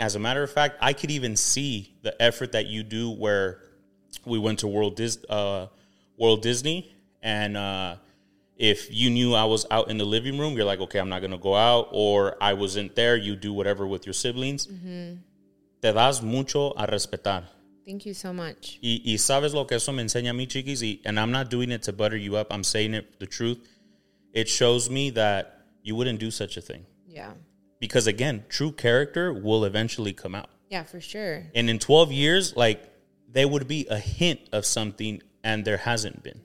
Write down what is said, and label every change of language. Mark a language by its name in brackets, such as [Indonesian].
[English] As a matter of fact, I could even see the effort that you do where we went to World Disney. And if you knew I was out in the living room, you're like, okay, I'm not going to go out. Or I wasn't there. You do whatever with your siblings. [Spanish] Te das mucho a respetar. [English] Thank you so much. [Spanish] Y sabes lo que eso me enseña a mí, chiquis? [English] And I'm not doing it to butter you up. I'm saying it the truth. It shows me that you wouldn't do such a thing. Yeah. Because, again, true character will eventually come out. Yeah, for sure. And in 12 years, like, there would be a hint of something, and there hasn't been.